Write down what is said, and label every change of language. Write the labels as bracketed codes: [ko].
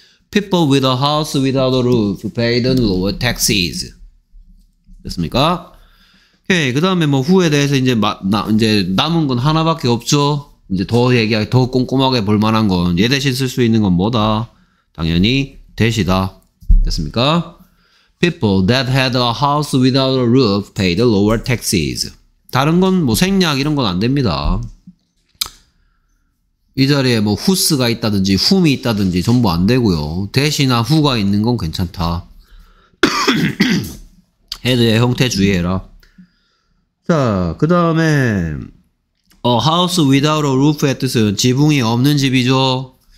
[en] People with a house without a roof paid lower taxes. [ko] 됐습니까? 오케이. 그 다음에 뭐 후에 대해서 이제 이제 남은 건 하나밖에 없죠. 이제 더 얘기하기, 더 꼼꼼하게 볼 만한 건 얘 대신 쓸 수 있는 건 뭐다? 당연히 that이다. 됐습니까? [en] People that had a house without a roof paid lower taxes. [ko] 다른 건 뭐 생략 이런 건 안 됩니다. 이 자리에 뭐 whose가 있다든지 whom이 있다든지 전부 안 되고요. that이나 who가 있는 건 괜찮다. had의 형태 주의해라. 자, 그 다음에 [en] a house without a roof [ko] 의 뜻은 지붕이 없는 집이죠.